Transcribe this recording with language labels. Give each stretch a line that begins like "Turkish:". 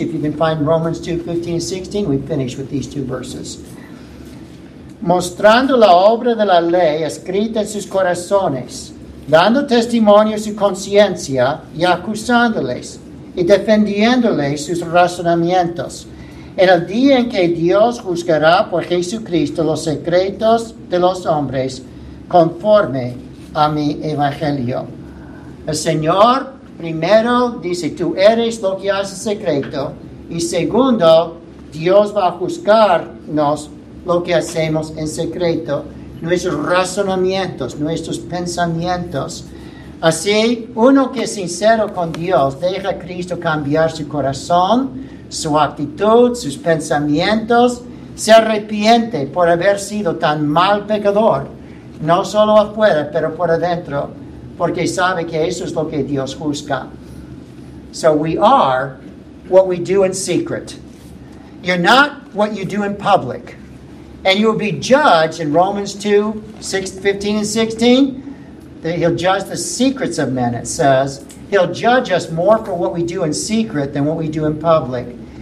English: If you can find Romans 2:15 and 16, we finish with these two verses.
Spanish: Mostrando la obra de la ley escrita en sus corazones, dando testimonio a su conciencia y acusándoles y defendiéndoles sus razonamientos. En el día en que Dios juzgará por Jesucristo los secretos de los hombres conforme a mi evangelio. El Señor primero dice, tú eres lo que haces secreto. Y segundo, Dios va a juzgarnos lo que hacemos en secreto, nuestros razonamientos, nuestros pensamientos. Así, uno que es sincero con Dios, deja a Cristo cambiar su corazón, su actitud, sus pensamientos, se arrepiente por haber sido tan mal pecador, no solo afuera, pero por adentro, porque sabe que eso es lo que Dios juzga.
English: So we are what we do in secret. You're not what you do in public. And you will be judged in Romans 2, 6, 15 and 16. That he'll judge the secrets of men, it says. He'll judge us more for what we do in secret than what we do in public.